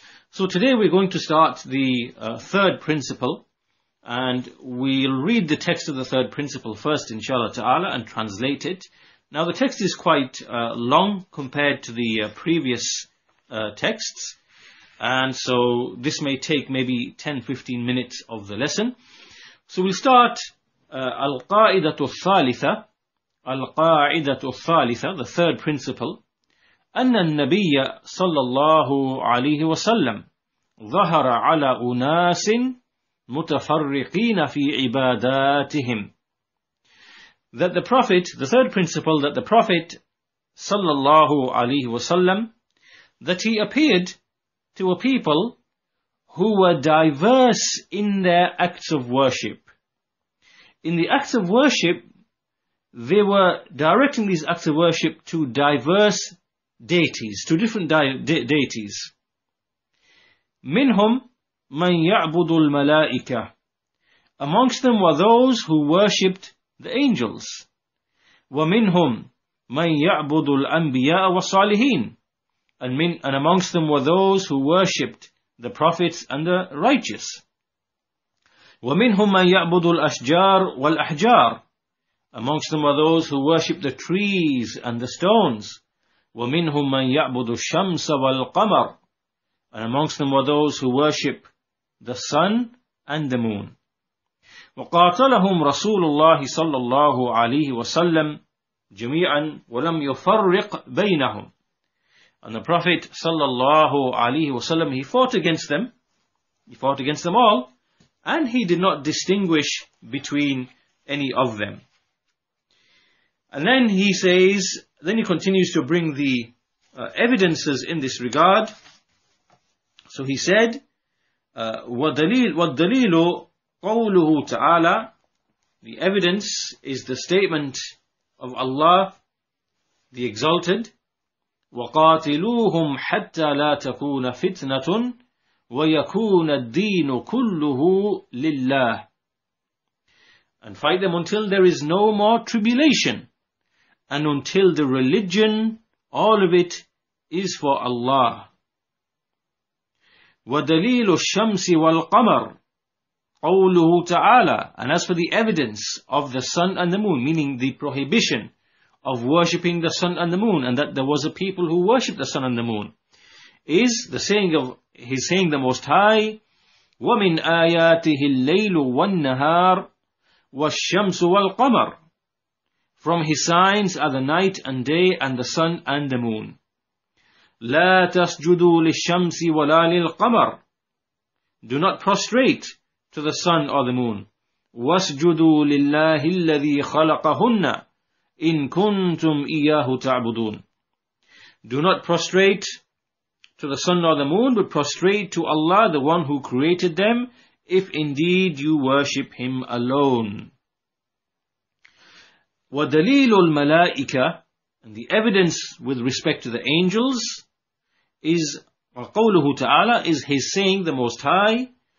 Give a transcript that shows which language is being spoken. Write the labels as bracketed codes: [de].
[en] So today we're going to start the third principle, and we'll read the text of the third principle first, inshallah ta'ala, and translate it. Now the text is quite long compared to the previous texts, and so this may take maybe 10-15 minutes of the lesson. So we'll start [ar] al-qa'idatu al-thalitha, القاعدة الثالثة, [en] the third principle, [ar] أن النبي صلى الله عليه وسلم ظهر على أناس متفرقين في عباداتهم. [en] That the Prophet, the third principle, that the Prophet صلى الله عليه وسلم, that he appeared to a people who were diverse in their acts of worship. In the acts of worship, they were directing these acts of worship to diverse deities, to different deities. [ar] منهم من يعبد الملائكة. [en] Amongst them were those who worshipped the angels. [ar] ومنهم من يعبد الأنبياء والصالحين. [en] And amongst them were those who worshipped the prophets and the righteous. [ar] ومنهم من يعبد الأشجار والأحجار. [en] Amongst them were those who worshipped the trees and the stones. [ar] ومنهم من يعبد الشمس والقمر. [en] And amongst them were those who worship the sun and the moon. [ar] وقاتلهم رسول الله صلى الله عليه وسلم جميعا ولم يفرق بينهم. [en] And the Prophet صلى الله عليه وسلم, he fought against them. He fought against them all. And he did not distinguish between any of them. And then he says, then he continues to bring the evidences in this regard. So he said, [ar] وَالدَّلِيلُ قَوْلُهُ تَعَالَى. [en] The evidence is the statement of Allah, the Exalted. [ar] وَقَاتِلُوهُمْ حَتَّى لَا تَكُونَ فِتْنَةٌ وَيَكُونَ الدِّينُ كُلُّهُ لِلَّهِ. [en] And fight them until there is no more tribulation, and until the religion, all of it, is for Allah. [ar] ودليل الشمس والقمر قوله تعالى. [en] And as for the evidence of the sun and the moon, meaning the prohibition of worshipping the sun and the moon, and that there was a people who worshipped the sun and the moon, is the saying of his saying the Most High, [ar] ومن آياته الليل والنهار والشمس والقمر. [en] From his signs are the night and day and the sun and the moon. [ar] لا تسجدوا للشمس ولا للقمر. [en] Do not prostrate to the sun or the moon. [ar] واسجدوا لله الذي خلقهن إن كنتم إياه تعبدون. [en] Do not prostrate to the sun or the moon, but prostrate to Allah, the one who created them, if indeed you worship him alone. [ar] ودليل الملائكة. [en] And the evidence with respect to the angels is [ar] قوله تعالى, [en] is his saying the Most High,